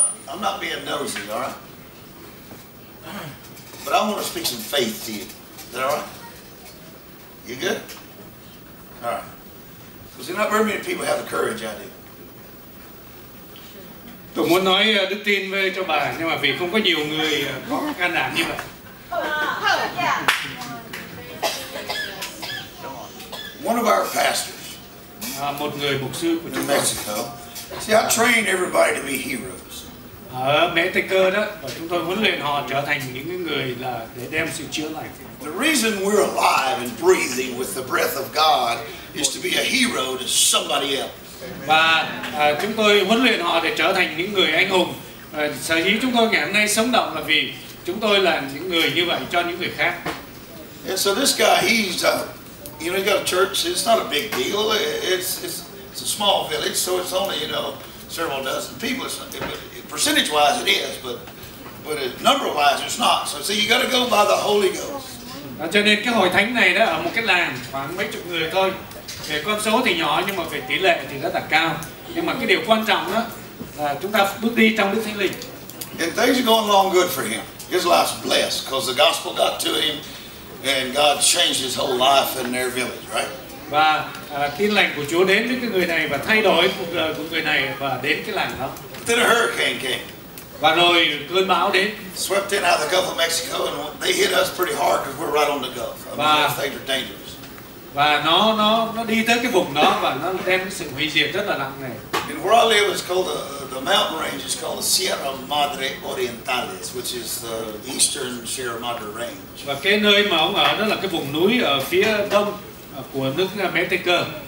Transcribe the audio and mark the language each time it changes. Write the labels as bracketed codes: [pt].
[en] I'm not being nosy, all right? But I want to speak some faith to you. Is that all right? You good? All right. Because not very many people have the courage I do. [vi] Tôi muốn nói đức tin với cho bà, nhưng mà vì không có nhiều người có can đảm như vậy. [en] One of our pastors. [vi] Một người mục sư của chúng [en] Mexico. See, I train everybody to be heroes. [vi] Ở Mexico đó, và chúng tôi huấn luyện họ trở thành những người là để đem sự chữa lành. [en] The reason we're alive and breathing with the breath of God is to be a hero to somebody else. [vi] Và chúng tôi huấn luyện họ để trở thành những người anh hùng. Sở dĩ chúng tôi ngày hôm nay sống động là vì chúng tôi là những người như vậy cho những người khác. [en] And so this guy, he's got a church. It's not a big deal. It's a small village, so it's only, several dozen people. Percentage-wise, it is, but number-wise, it's not. So see, you got to go by the Holy Ghost. [vi] Cho nên cái hội thánh này đó ở một cái làng khoảng mấy chục người thôi. Về con số thì nhỏ nhưng mà về tỷ lệ thì rất là cao. Nhưng mà cái điều quan trọng đó là chúng ta bước đi trong Đức Thánh Linh. [en] And things are going along good for him. His life's blessed because the gospel got to him and God changed his whole life in their village, right? [vi] Và tin lành của Chúa đến với cái người này và thay đổi cuộc đời của người này và đến cái làng đó. [en] Then a hurricane came. [vi] Và rồi cơn bão đến. [en] Swept in out of the Gulf of Mexico and they hit us pretty hard because we're right on the Gulf. Things are dangerous. [vi] Và nó đi tới cái vùng đó và nó đem cái sự hủy diệt rất là nặng nề. [en] And where I live is called the mountain range is called the Sierra Madre Orientales, which is the eastern Sierra Madre range. [vi] Và cái nơi mà ông ở đó là cái vùng núi ở phía đông của nước Mexico.